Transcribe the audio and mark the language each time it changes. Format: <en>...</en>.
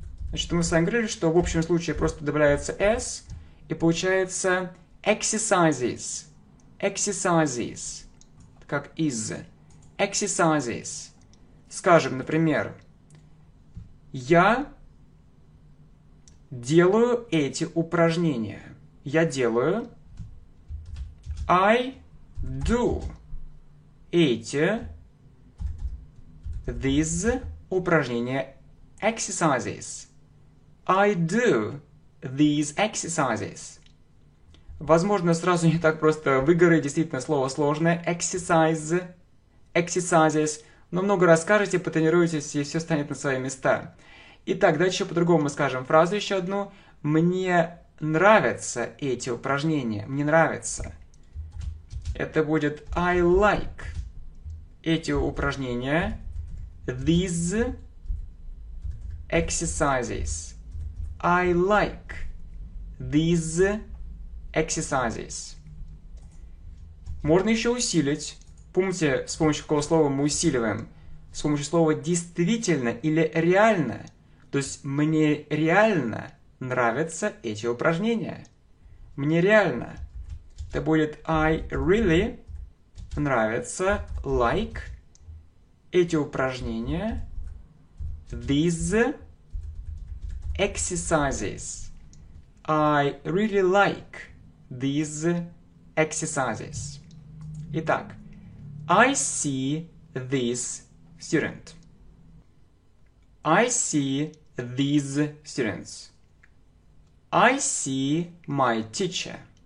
<ru>Значит, мы с вами говорили, что в общем случае просто добавляется s, и получается exercises.</ru> <en>Exercises. Как is. Exercises.</en> <ru>Скажем, например, я делаю эти упражнения. Я делаю.</ru> <en>I do</en> <ru>эти</ru> <en>these</en> <ru>упражнения</ru> <en>exercises. I do these exercises.</en> <ru>Возможно, сразу не так просто выговорить, действительно, слово сложное.</ru> <en>Exercise. Exercises.</en> <ru>Но много раз скажете, потренируетесь, и все станет на свои места. Итак, давайте еще по-другому скажем фразу еще одну. Мне нравятся эти упражнения. Мне нравятся. Это будет</ru> <en>I like</en> <ru>эти упражнения.</ru> <en>These exercises. I like these exercises.</en> <ru>Можно еще усилить. Помните, с помощью какого слова мы усиливаем? С помощью слова действительно или реально. То есть мне реально нравятся эти упражнения. Мне реально. Это будет</ru> <en>I really</en> <ru>нравится,</ru> <en>like</en> <ru>эти упражнения.</ru> <en>These exercises. I really like these exercises.</en> <ru>Итак,</ru> <en>I see this student. I see these students. I see my teacher.</en>